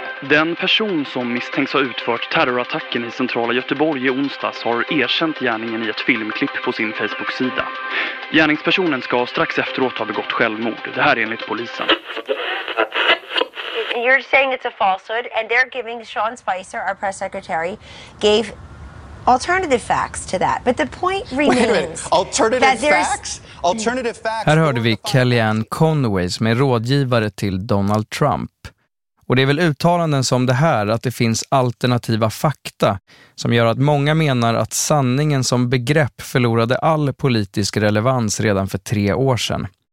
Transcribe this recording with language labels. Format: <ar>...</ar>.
<sv>Den person som misstänks ha utfört terrorattacken i centrala Göteborg i onsdags har erkänt gärningen i ett filmklipp på sin Facebook-sida. Gärningspersonen ska strax efteråt ha begått självmord. Det här är enligt polisen.</sv> <en>You're saying it's a falsehood and they're giving Sean Spicer, our press secretary, gave alternative facts to that. But the point remains.</en> <sv>Här hörde vi Kellyanne Conway som är rådgivare till Donald Trump. Och det är väl uttalanden som det här, att det finns alternativa fakta, som gör att många menar att sanningen som begrepp förlorade all politisk relevans redan för 3 år sedan.</sv>